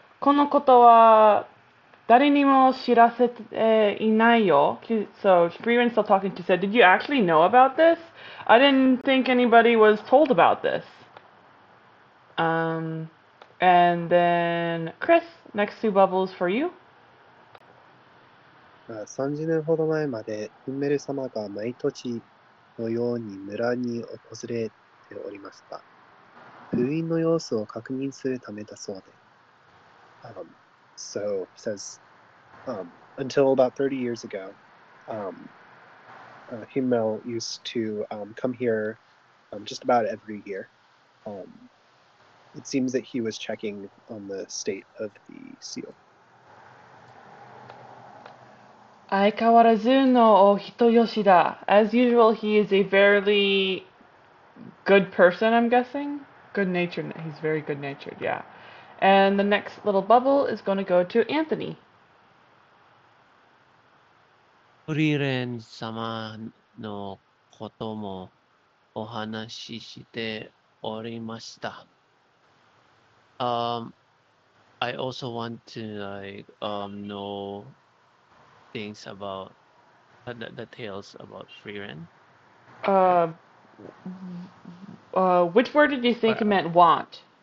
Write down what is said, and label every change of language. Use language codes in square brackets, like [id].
[ja] このことは誰にも知らせていないよ。 [en] So, Frieren's still talking. She said, did you actually know about this? I didn't think anybody was told about this. And then, Chris, next two bubbles for you. [ja] 30年ほど前まで、ヒンメル様が毎年のように村に訪れておりますが、封印の様子を確認するためだそうで。 [en] So, he says, until about 30 years ago, Himmel used to come here just about every year. It seems that he was checking on the state of the seal. [ja] 相変わらずのお人よしだ。 [en] As usual, he is a very good person, I'm guessing. Good natured. He's very good natured, yeah. And the next little bubble is going to go to Anthony. [ja] フリーレン様のこともお話ししておりました。 [en] I also want to know things about the tales about Frieren. Which word did you think it meant want?